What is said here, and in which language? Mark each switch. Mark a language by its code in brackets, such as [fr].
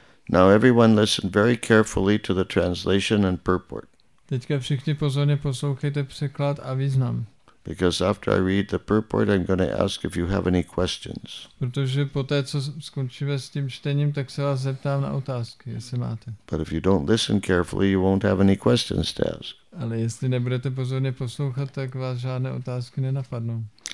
[en] Now everyone listen very carefully to the translation and purport. [cs] Teďka všichni pozorně poslouchejte překlad a význam. [en] Because after I read the purport, I'm going to ask if you have any questions. [cs] Protože poté, co skončíme s tím čtením, tak se vás zeptám na otázky, jestli máte. [en] But if you don't listen carefully, you won't have any questions to ask. [cs] Ale jestli nebudete pozorně poslouchat, tak vás žádné otázky nenapadnou.